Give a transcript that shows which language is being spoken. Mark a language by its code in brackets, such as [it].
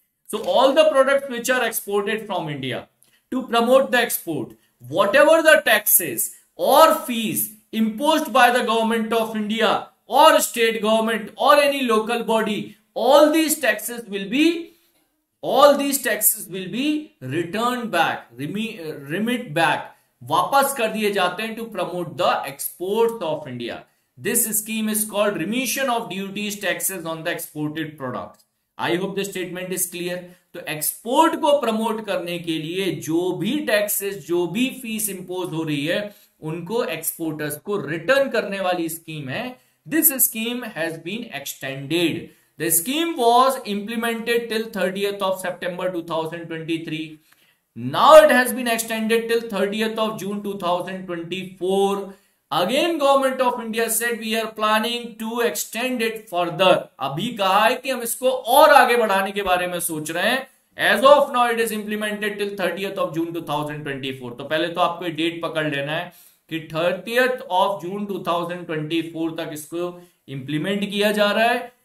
[en] so all the product which are exported from India to promote the export, whatever the taxes और fees imposed by the government of India और state government और any local body, All these taxes will be returned back, remit back, [hi] वापस कर दिए जाते हैं [en] to promote the exports of India. This scheme is called remission of duties taxes on the exported products. I hope the statement is clear. [hi] तो export को promote करने के लिए जो भी taxes, जो भी fees imposed हो रही है उनको exporters को return करने वाली scheme है. [en] This scheme has been extended. The scheme was implemented till 30th of September 2023. Now it has been extended till 30th of June 2024. Again, Government of India said we are planning to extend it further. [hi] अभी कहा है कि हम इसको और आगे बढ़ाने के बारे में सोच रहे हैं. [en] As of now, it is implemented till 30th of June 2024. [hi] तो पहले तो आपको डेट पकड़ लेना है कि 30th of June 2024 तक इसको इंप्लीमेंट किया जा रहा है.